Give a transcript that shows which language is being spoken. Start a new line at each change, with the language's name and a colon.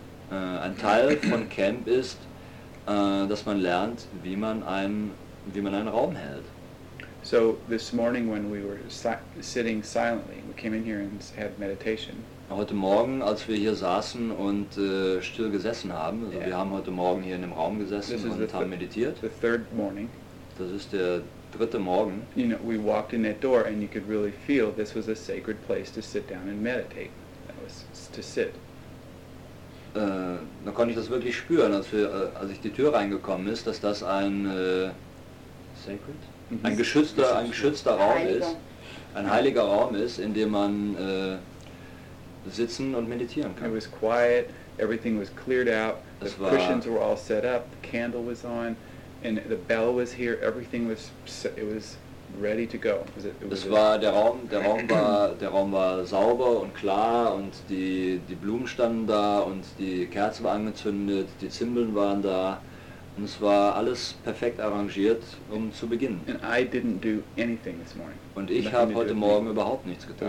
German: Ein Teil von Camp ist, dass man lernt, wie man einen Raum hält.
English: So this morning when we were sitting silently, we came in here and had meditation.
German: Heute Morgen, als wir hier saßen und still gesessen haben, also yeah. Wir haben heute Morgen hier in dem Raum gesessen
English: this
German: und haben meditiert.
English: The third morning.
German: Das ist der dritte Morgen.
English: You know, we walked in that door and you could really feel this was a sacred place to sit down and meditate. That was to sit.
German: Da konnte ich das wirklich spüren, als ich die Tür reingekommen ist, dass das ein
English: sacred?
German: ein geschützter Raum ist, ein heiliger Raum ist, in dem man sitzen und meditieren kann.
English: It was quiet, everything was cleared out, the cushions were all set up, the candle was on, and the bell was here, everything was it was ready to go.
German: Der Raum war sauber und klar und die Blumen standen da und die Kerze war angezündet, die Zimbeln waren da und es war alles perfekt arrangiert, um zu beginnen.
English: And I didn't do anything this morning.
German: Und ich habe heute Morgen überhaupt nichts getan.